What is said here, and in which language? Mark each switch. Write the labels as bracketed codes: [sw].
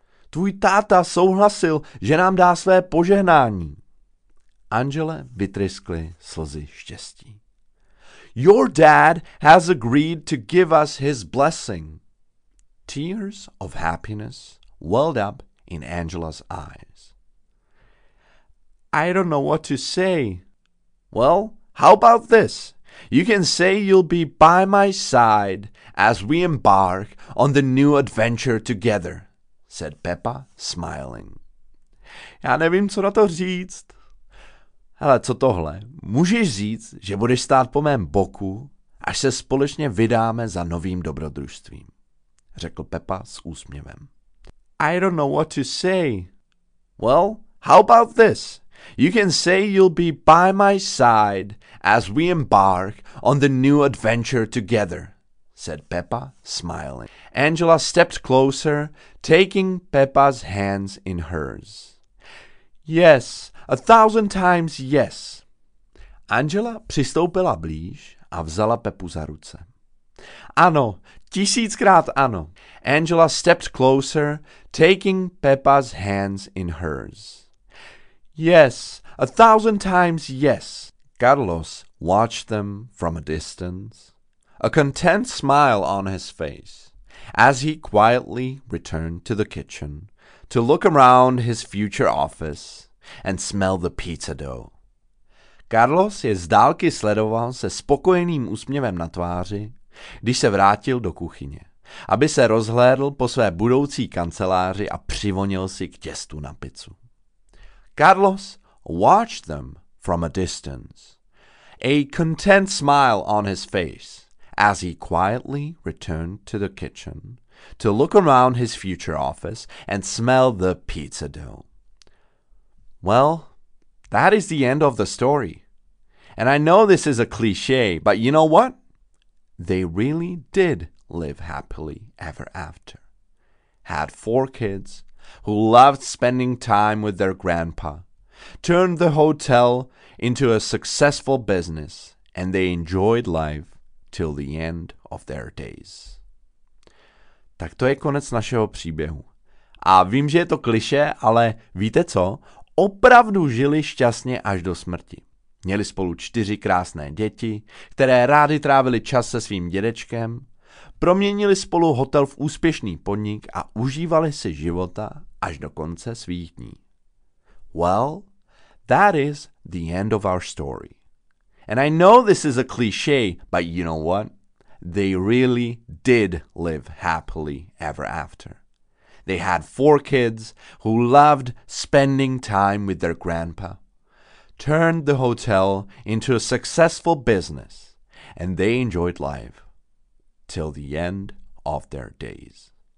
[cs] Tvůj táta souhlasil, že nám dá své požehnání. Angele vytryskly slzy štěstí. [en] Your dad has agreed to give us his blessing. Tears of happiness welled up in Angela's eyes. I don't know what to say. Well, how about this? You can say you'll be by my side as we embark on the new adventure together, said Pepa, smiling. [cs] Já nevím, co na to říct. Hele, co tohle? Můžeš říct, že budeš stát po mém boku, až se společně vydáme za novým dobrodružstvím, řekl Pepa s úsměvem. [en] I don't know what to say. Well, how about this? You can say you'll be by my side as we embark on the new adventure together, said Pepa, smiling. Angela stepped closer, taking Pepa's hands in hers. Yes, 1,000 times yes. [cs] Angela přistoupila blíž a vzala Pepu za ruce. Ano, 1,000krát ano. [en] Angela stepped closer, taking Pepa's hands in hers. Yes, 1,000 times yes. Carlos watched them from a distance, a content smile on his face, as he quietly returned to the kitchen to look around his future office and smell the pizza dough. [cs] Carlos je z dálky sledoval se spokojeným úsměvem na tváři, když se vrátil do kuchyně, aby se rozhlédl po své budoucí kanceláři a přivonil si k těstu na pizzu. [en] Carlos watched them from a distance, a content smile on his face, as he quietly returned to the kitchen to look around his future office and smell the pizza dough. Well, that is the end of the story. And I know this is a cliche, but you know what? They really did live happily ever after. Had 4 kids, who loved spending time with their grandpa, turned the hotel into a successful business, and they enjoyed life till the end of their days. [cs] Tak to je konec našeho příběhu. A vím, že je to klišé, ale víte co? Opravdu žili šťastně až do smrti. Měli spolu 4 krásné děti, které rádi trávili čas se svým dědečkem, proměnili spolu hotel v úspěšný podnik a užívali si života až do konce svých dní. [en] Well, that is the end of our story. And I know this is a cliche, but you know what? They really did live happily ever after. They had 4 kids who loved spending time with their grandpa, turned the hotel into a successful business, and they enjoyed life till the end of their days.